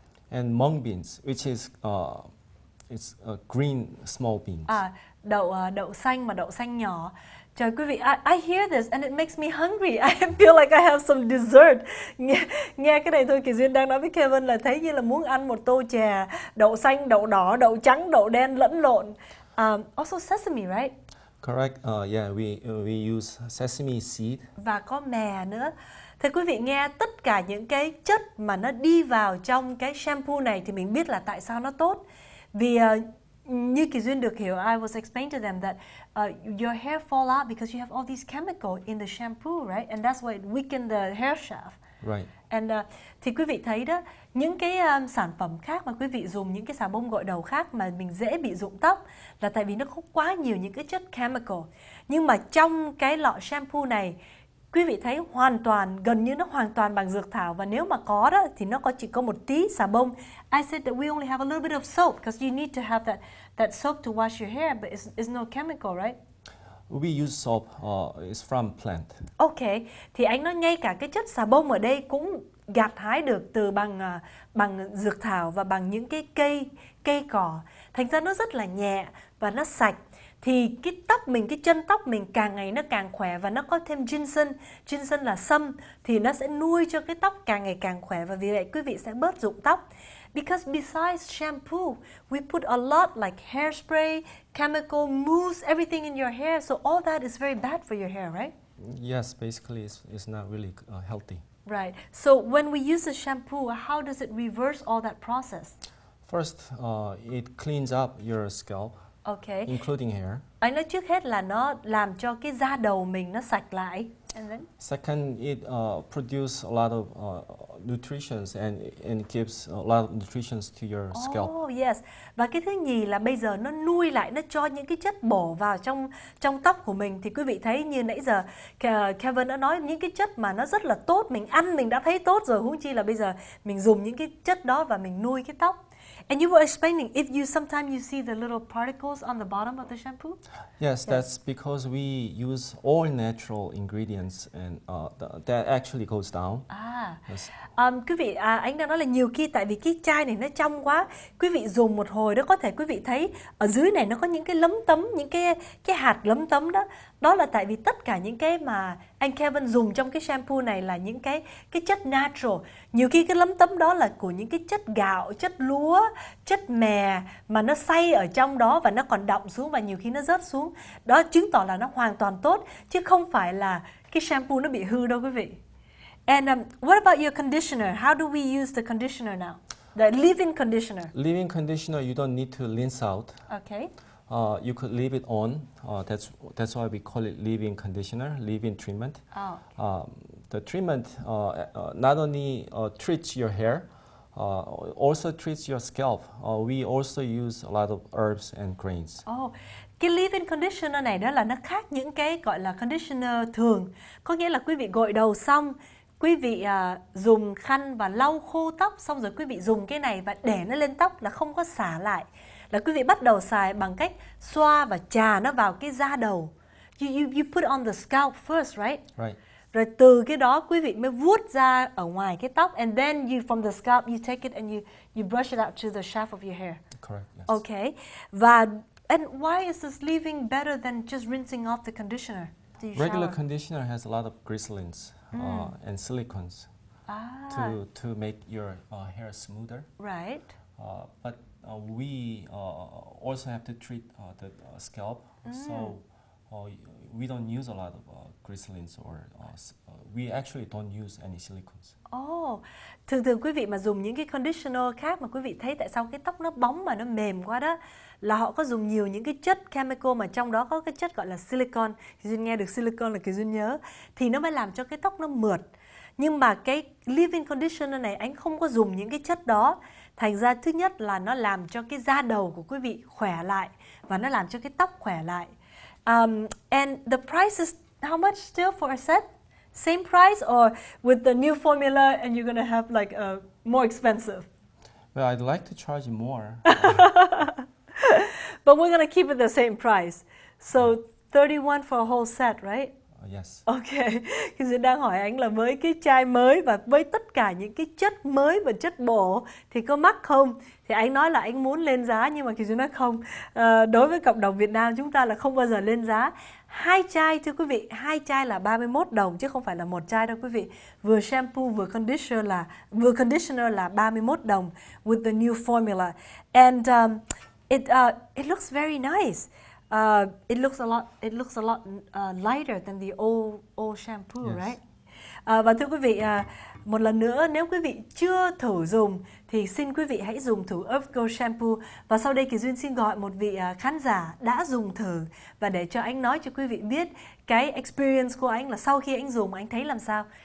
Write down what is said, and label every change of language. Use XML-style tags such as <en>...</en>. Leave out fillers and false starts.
<en>and mung beans, which is it's green small beans.</en> <vi>Đậu đậu xanh mà đậu xanh nhỏ. Trời quý vị,</vi> <en>I hear this and it makes me hungry. I feel like I have some dessert.</en> <vi>Nghe, nghe cái này thôi, Kỳ Duyên đang nói với Kevin là thấy như là muốn ăn một tô chè đậu xanh, đậu đỏ, đậu trắng, đậu đen lẫn lộn.</vi> <en>Also sesame, right? Correct. We use sesame seed.</en> <vi>Và có mè nữa. Thưa quý vị, nghe tất cả những cái chất mà nó đi vào trong cái shampoo này thì mình biết là tại sao nó tốt. Vì như Kỳ Duyên được hiểu,</vi> <en>I was explained to them that your hair fall out because you have all these chemicals in the shampoo, right? And that's why it weakens the hair shaft. Right.</en> <vi>And thì quý vị thấy đó, những cái sản phẩm khác mà quý vị dùng, những cái xà bông gội đầu khác mà mình dễ bị rụng tóc là tại vì nó có quá nhiều những cái chất chemical. Nhưng mà trong cái lọ shampoo này, quý vị thấy hoàn toàn, gần như nó hoàn toàn bằng dược thảo. Và nếu mà có đó, thì nó có chỉ có một tí xà bông.</vi> <en>I said that we only have a little bit of soap, because you need to have that soap to wash your hair, but it's no chemical, right? We use soap, it's from plant.</en> <vi>Ok, thì anh nói ngay cả cái chất xà bông ở đây cũng gặt hái được từ bằng bằng dược thảo và bằng những cái cây cây cỏ. Thành ra nó rất là nhẹ và nó sạch. Thì cái tóc mình, cái chân tóc mình càng ngày nó càng khỏe và nó có thêm ginseng. Ginseng là sâm thì nó sẽ nuôi cho cái tóc càng ngày càng khỏe và vì vậy quý vị sẽ bớt rụng tóc.</vi> <en>Because besides shampoo, we put a lot like hairspray, chemical mousse, everything in your hair. So all that is very bad for your hair, right? Yes, basically, it's not really healthy. Right. So when we use a shampoo, how does it reverse all that process? First, it cleans up your scalp, Okay. including hair.</en> <vi>Anh nói trước hết là nó làm cho cái da đầu mình nó sạch lại.</vi> <en>And then? Second, it produces a lot of nutritions and gives a lot of nutritions to your scalp. Oh, yes.</en> <vi>Và cái thứ nhì là bây giờ nó nuôi lại, nó cho những cái chất bổ vào trong trong tóc của mình. Thì quý vị thấy như nãy giờ Kevin đã nói những cái chất mà nó rất là tốt. Mình ăn mình đã thấy tốt rồi. Huống chi là bây giờ mình dùng những cái chất đó và mình nuôi cái tóc.</vi> <en>And you were explaining if you sometimes you see the little particles on the bottom of the shampoo? Yes, that's because we use all natural ingredients and that actually goes down.</en> <vi>Quý vị, anh đang nói là nhiều khi tại vì cái chai này nó trong quá, quý vị dùng một hồi đó có thể quý vị thấy ở dưới này nó có những cái lấm tấm, những cái hạt lấm tấm đó. Đó là tại vì tất cả những cái mà anh Kevin dùng trong cái shampoo này là những cái chất natural. Nhiều khi cái lấm tấm đó là của những cái chất gạo, chất lúa, chất mè mà nó xay ở trong đó và nó còn đọng xuống và nhiều khi nó rớt xuống. Đó chứng tỏ là nó hoàn toàn tốt chứ không phải là cái shampoo nó bị hư đâu quý vị.</vi> <en>And what about your conditioner? How do we use the conditioner now? The leave-in conditioner. Leave-in conditioner, you don't need to rinse out. Okay. You could leave it on. That's why we call it leave-in conditioner, leave-in treatment. Oh. Okay. The treatment not only treats your hair, also treats your scalp. We also use a lot of herbs and grains. Oh.</en> <vi>Cái leave-in conditioner này đó là nó khác những cái gọi là conditioner thường. Có nghĩa là quý vị gội đầu xong, quý vị dùng khăn và lau khô tóc xong rồi quý vị dùng cái này và để nó lên tóc là không có xả lại. Là quý vị bắt đầu xài bằng cách xoa và chà nó vào cái da đầu.</vi> <en>You put on the scalp first, right? Right.</en> <vi>Rồi từ cái đó quý vị mới vuốt ra ở ngoài cái tóc</vi> <en>and then you from the scalp you take it and you brush it out to the shaft of your hair. Correct. Yes. Okay. Và and why is this leave-in better than just rinsing off the conditioner? Regular conditioner has a lot of glycerins and silicones to make your hair smoother. Right. But we also have to treat the scalp, so we don't use a lot of glycerins or we actually don't use any silicones.</en> <vi>Oh, thường thường quý vị mà dùng những cái conditioner khác mà quý vị thấy tại sao cái tóc nó bóng mà nó mềm quá đó. Là họ có dùng nhiều những cái chất chemical mà trong đó có cái chất gọi là silicone. Thì Duyên nghe được silicone là cái Duyên nhớ. Thì nó mới làm cho cái tóc nó mượt. Nhưng mà cái leave-in conditioner này anh không có dùng những cái chất đó. Thành ra thứ nhất là nó làm cho cái da đầu của quý vị khỏe lại. Và nó làm cho cái tóc khỏe lại.</vi> <en>And the price is how much still for a set? Same price or with the new formula and you're going to have like a more expensive? Well, I'd like to charge more. But we're going to keep it the same price. So 31 for a whole set, right? Yes. Okay.</en> <vi>Thì Duyên đang hỏi anh là với cái chai mới và với tất cả những cái chất mới và chất bổ thì có mắc không? Thì anh nói là anh muốn lên giá nhưng mà Duyên nói không. Đối với cộng đồng Việt Nam chúng ta là không bao giờ lên giá. Hai chai thưa quý vị, hai chai là 31 đồng chứ không phải là một chai đâu quý vị. Vừa shampoo vừa conditioner là 31 đồng</vi> <en>with the new formula. And It looks very nice. It looks a lot lighter than the old shampoo, yes. Right?</en> <vi>Và thưa quý vị, một lần nữa nếu quý vị chưa thử dùng thì xin quý vị hãy dùng thử Earth Girl shampoo và sau đây Kỳ Duyên xin gọi một vị khán giả đã dùng thử và để cho anh nói cho quý vị biết cái experience của anh là sau khi anh dùng anh thấy làm sao.</vi>